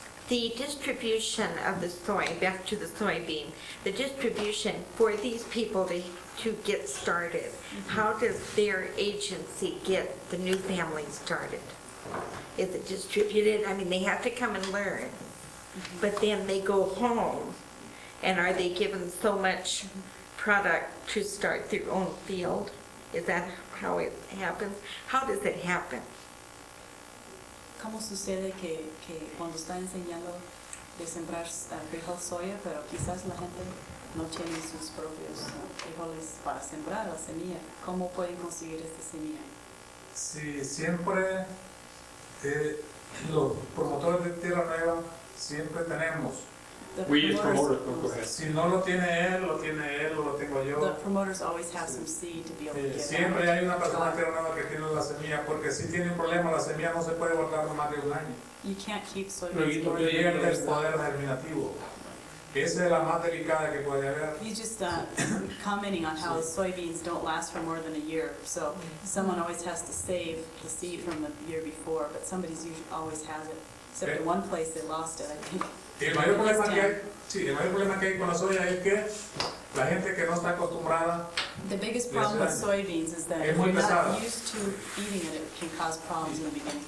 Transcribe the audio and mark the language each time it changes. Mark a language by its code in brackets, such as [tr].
[en] The distribution of the soy, back to the soybean, the distribution for these people to get started, how does their agency get the new family started? Is it distributed? I mean, they have to come and learn, but then they go home, and are they given so much product to start their own field? Is that how it happens? How does it happen? [es] ¿Cómo sucede que cuando están enseñando de sembrar frijol soya, pero quizás la gente no tiene sus propios frijoles para sembrar la semilla? ¿Cómo pueden conseguir esta semilla? Sí, siempre los promotores de Tierra Nueva siempre tenemos. [en] We use promoters. [es] Si no lo tiene él, lo tiene él, lo tengo yo. [en] The promoters always have some seed to be able to get. [es] Siempre hay una persona en Tierra Nueva que tiene la semilla, porque si tiene un problema, la semilla no se puede guardar más de un año. [en] You can't keep soybeans. [es] No pierde el poder germinativo. Esa es la más delicada que puede haber. [en] He's just commenting on how soybeans don't last for more than a year. So someone always has to save the seed from the year before, but somebody's usually always has it. Except in one place they lost it, I think. [es] El mayor problema que hay con la soya es que la gente que no está acostumbrada. [en] The biggest problem with soybeans is that if you're not used to eating it, it can cause problems in the beginning.